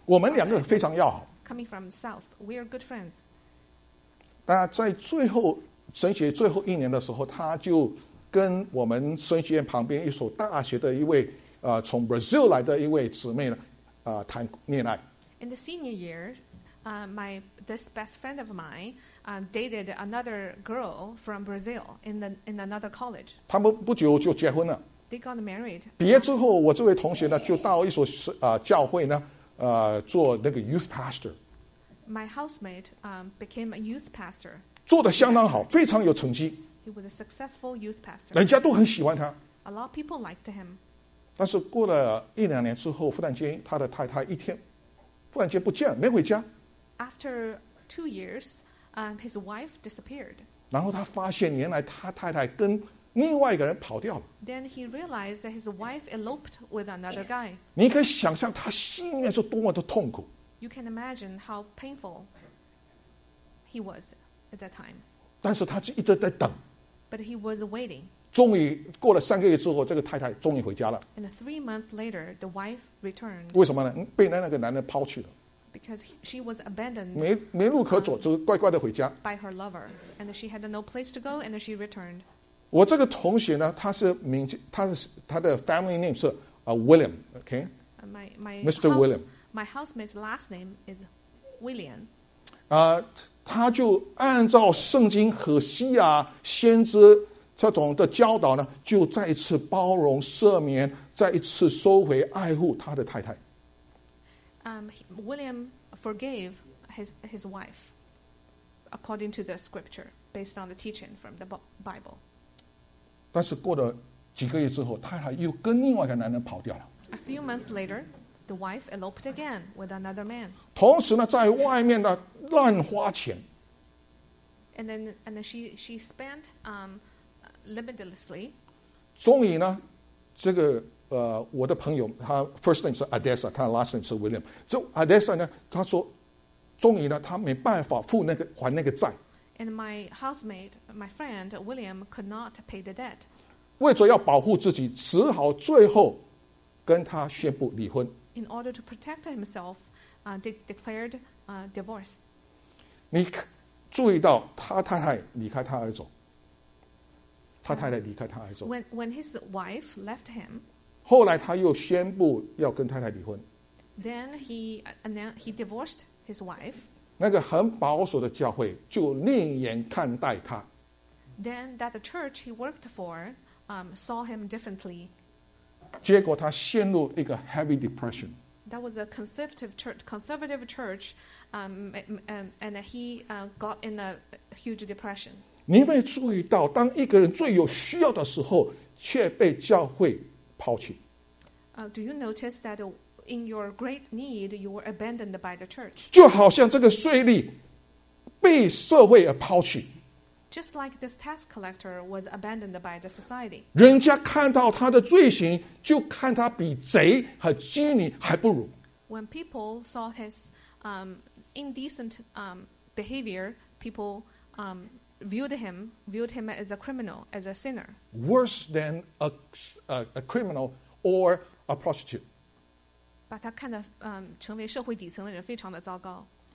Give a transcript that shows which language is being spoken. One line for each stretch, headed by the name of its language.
Chinese: 我们两个非常要好。
English: Coming from South, we are good friends.
Chinese: 那在最后神学最后一年的时候，他就跟我们神学院旁边一所大学的一位从 Brazil 来的一位姊妹呢，谈恋爱。
English: In the senior year, this best friend of mine dated another girl from Brazil in another college.
Chinese: 他们不久就结婚了。
English: They got married.
Chinese: 毕业之后，我这位同学呢，就到一所教会呢，做那个
English: youth pastor. My housemate became a youth pastor.
Chinese: 做得相当好，非常有成绩。
English: He was a successful youth pastor.
Chinese: 人家都很喜欢他。
English: A lot of people liked him.
Chinese: 但是过了一两年之后，忽然间他的太太一天，忽然间不见了，没回家。
English: After 2 years, his wife disappeared.
Chinese: 然后他发现原来他太太跟另外一个人跑掉了。
English: Then he realized that his wife eloped with another guy.
Chinese: 你可以想象他心里面是多么的痛苦。
English: You can imagine how painful he was at that time.
Chinese: 但是他一直在等。
English: But he was waiting.
Chinese: 终于过了三个月之后，这个太太终于回家了。
English: And 3 months later, the wife returned.
Chinese: 为什么呢？被那个男人抛弃了。
English: Because she was abandoned.
Chinese: 没路可走，就乖乖的回家。
English: By her lover, and she had no place to go, and she returned.
Chinese: 我这个同学呢，他是名，他的
English: family name
Chinese: 是William, okay?
English: Mr. William. My housemate's last name is William.
Chinese: 他就按照圣经和西亚先知这种的教导呢，就再一次包容赦免，再一次收回爱护他的太太。
English: William forgave his wife according to the scripture, based on the teaching from the Bible.
Chinese: 但是过了几个月之后，太太又跟另外一个男人跑掉了。
English: A few months later, the wife eloped again with another man.
Chinese: 同时呢，在外面呢乱花钱。
English: And then she spent limitlessly.
Chinese: 终于呢，这个我的朋友，他
English: first name
Chinese: 是 Adessa， 他
English: last name
Chinese: 是 William。就 Adessa 呢，他说，终于呢，他没办法付那个还那个债。
English: And my housemate, my friend William, could not pay the debt.
Chinese: 为着要保护自己，只好最后跟他宣布离婚。
English: In order to protect himself, declared divorce.
Chinese: 你注意到他太太离开他而走。他太太离开他而走。
English: When his wife left him,
Chinese: 后来他又宣布要跟太太离婚。
English: Then he divorced his wife.
Chinese: 那个很保守的教会就另眼看待他。
English: Then that the church he worked for saw him differently.
Chinese: 结果他陷入一个
English: heavy depression. That was a conservative church, and he got in a huge depression.
Chinese: 你没注意到，当一个人最有需要的时候，却被教会抛弃。
English: Do you notice that in your great need, you were abandoned by the church?
Chinese: 就好像这个税吏被社会而抛弃。
English: Just like this tax collector was abandoned by the society.
Chinese: 人家看到他的罪行，就看他比贼和妓女还不如。
English: When people saw his indecent behavior, people viewed him as a criminal, as a sinner. Worse than a criminal or a prostitute.
Chinese: 把他看得成为社会底层的人非常的糟糕。